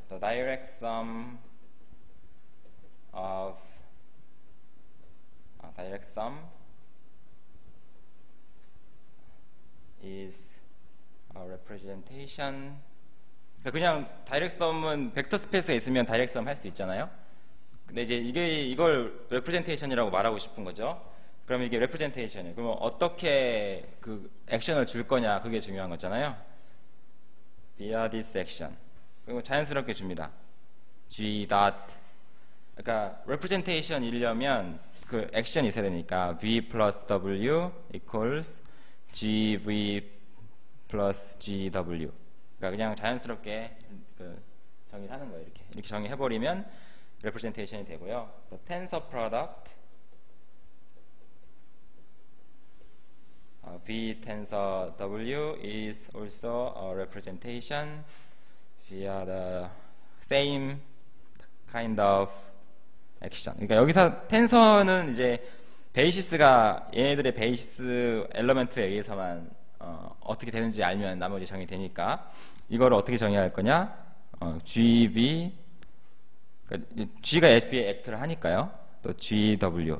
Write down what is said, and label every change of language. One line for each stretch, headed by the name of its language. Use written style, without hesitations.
English: The direct sum of direct sum is a representation.
Korean: 그냥 다이렉트 썸은 벡터 스페이스가 있으면 다이렉트 썸 할 수 있잖아요. 근데 이제 이걸 레프레젠테이션이라고 말하고 싶은 거죠. 그럼 이게 레프레젠테이션이에요. 그러면 어떻게 그 액션을 줄 거냐, 그게 중요한 거잖아요.
English: via this action.
Korean: 그리고 자연스럽게 줍니다. g. 그러니까 레프레젠테이션 이려면 그 액션이 있어야 되니까
English: v plus w equals gv plus gw.
Korean: 그냥 자연스럽게 그 정의를 하는 거예요. 이렇게 정의해 버리면 representation이 되고요.
English: The tensor product V tensor W is also a representation via the same kind of action.
Korean: 그러니까 여기서 텐서는 이제 베이시스가 얘네들의 베이시스 엘리먼트에 의해서만 어떻게 되는지 알면 나머지 정의 되니까 이걸 어떻게 정의할 거냐? GV, G가 F에 액트를 하니까요. 또 GW.